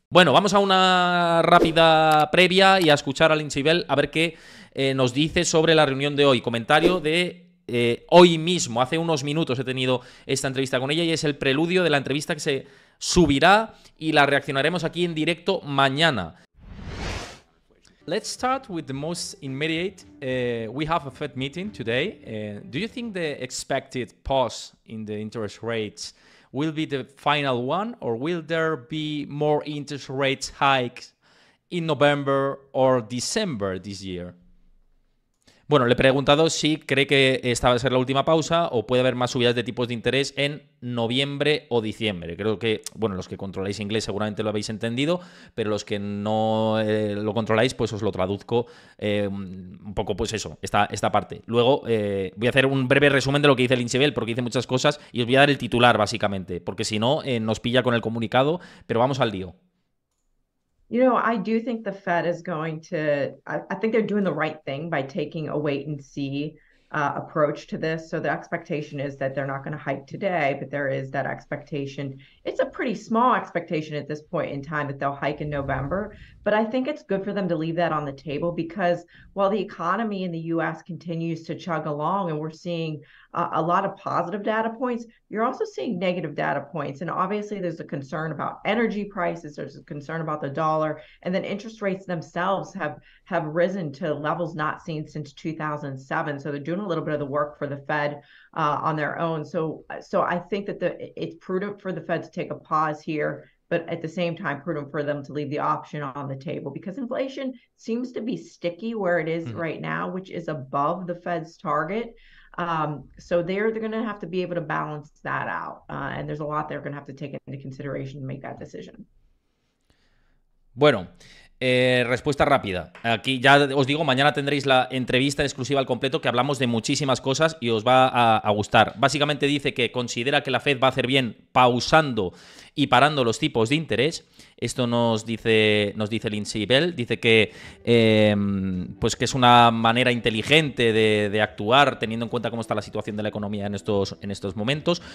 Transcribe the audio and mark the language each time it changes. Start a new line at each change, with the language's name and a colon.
Spanish: Bueno, vamos a una rápida previa y a escuchar a Lindsey Bell a ver qué nos dice sobre la reunión de hoy. Comentario de hoy mismo, hace unos minutos he tenido esta entrevista con ella y es el preludio de la entrevista que se subirá y la reaccionaremos aquí en directo mañana.
English: Let's start with the most immediate. We have a Fed meeting today. Do you think the expected pause in the interest rates will be the final one, or will there be more interest rates hikes in November or December this year?
Spanish: Bueno, le he preguntado si cree que esta va a ser la última pausa o puede haber más subidas de tipos de interés en noviembre o diciembre. Creo que, bueno, los que controláis inglés seguramente lo habéis entendido, pero los que no lo controláis, pues os lo traduzco un poco, pues eso, esta parte. Luego voy a hacer un breve resumen de lo que dice Lindsey Bell, porque dice muchas cosas, y os voy a dar el titular, básicamente, porque si no, nos pilla con el comunicado, pero vamos al lío.
English: You know, I do think the Fed is going to, I think they're doing the right thing by taking a wait and see approach to this. So the expectation is that they're not going to hike today, but there is that expectation. It's a pretty small expectation at this point in time that they'll hike in November. But I think it's good for them to leave that on the table because while the economy in the U.S. continues to chug along and we're seeing a lot of positive data points, you're also seeing negative data points. And obviously, there's a concern about energy prices, there's a concern about the dollar, and then interest rates themselves have risen to levels not seen since 2007. So they're doing a little bit of the work for the Fed on their own. So I think that it's prudent for the Fed to take a pause here, but at the same time, prudent for them to leave the option on the table because inflation seems to be sticky where it is right now, which is above the Fed's target. So they're going to have to be able to balance that out. And there's a lot they're going to have to take into consideration to make that decision.
Spanish: Bueno, respuesta rápida. Aquí ya os digo, mañana tendréis la entrevista exclusiva al completo que hablamos de muchísimas cosas y os va a gustar. Básicamente dice que considera que la Fed va a hacer bien pausando y parando los tipos de interés. Esto nos dice Lindsey Bell. Dice que pues que es una manera inteligente de actuar teniendo en cuenta cómo está la situación de la economía en estos momentos.